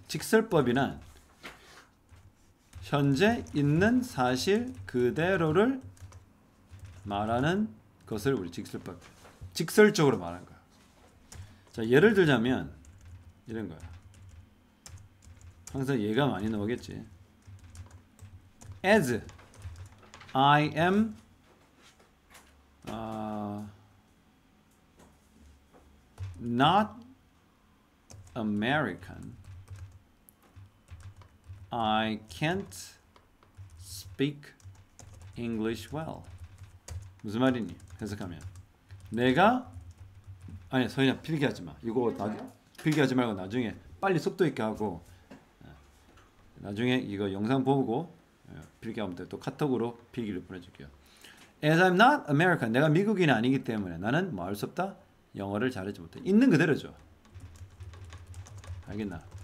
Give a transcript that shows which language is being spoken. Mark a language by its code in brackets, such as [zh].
[ko] 직설법이란 현재 있는 사실 그대로를 말하는 것을 우리 직설법, 직설적으로 말하는 거야. 자, 예를 들자면 이런 거야. 항상 예가 많이 나오겠지. [en] As I am, not American, I can't speak English well. [ko] 무슨 말이니? 해석하면 내가 아니 서인아 필기하지 마. 이거 나 필기하지 말고 나중에 빨리 속도 있게 하고 나중에 이거 영상 보고 필기하면 돼. 또 카톡으로 필기를 보내줄게요. [en] As I'm not American, [ko] 내가 미국인이 아니기 때문에 나는 뭐할수 없다. 영어를 잘하지 못해. 있는 그대로죠. 알겠나?